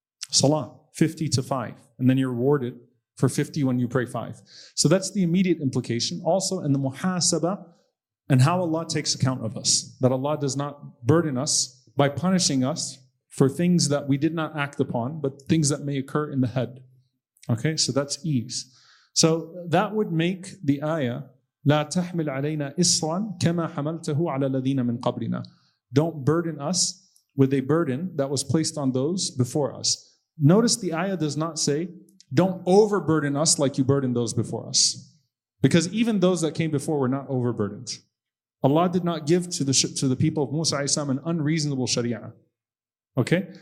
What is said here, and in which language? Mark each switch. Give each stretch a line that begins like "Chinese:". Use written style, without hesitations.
English: Salah, 50 to 5. And then you're rewarded for 50 when you pray 5. So that's the immediate implication. Also in the muhasabah, and how Allah takes account of us. That Allah does not burden us by punishing us for things that we did not act upon, but things that may occur in the head. Okay, so that's ease. So that would make the ayah,
Arabic: لا تحمل علينا إصراً كما حملته على الذين من قبلنا.
English: Don't burden us with a burden that was placed on those before us. Notice the ayah does not say, don't overburden us like you burdened those before us. Because even those that came before were not overburdened. Allah did not give to the people of Musa alayhi salam an unreasonable sharia. Okay?